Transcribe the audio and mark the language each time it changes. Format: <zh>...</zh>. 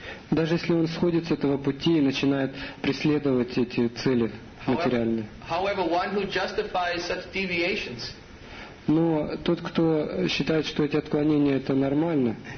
<ru>Даже если он сходит с этого пути и начинает преследовать эти цели материальные.</ru> <en>However, one who justifies such deviations,</en> <ru>но тот, кто считает, что эти отклонения это нормально,</ru>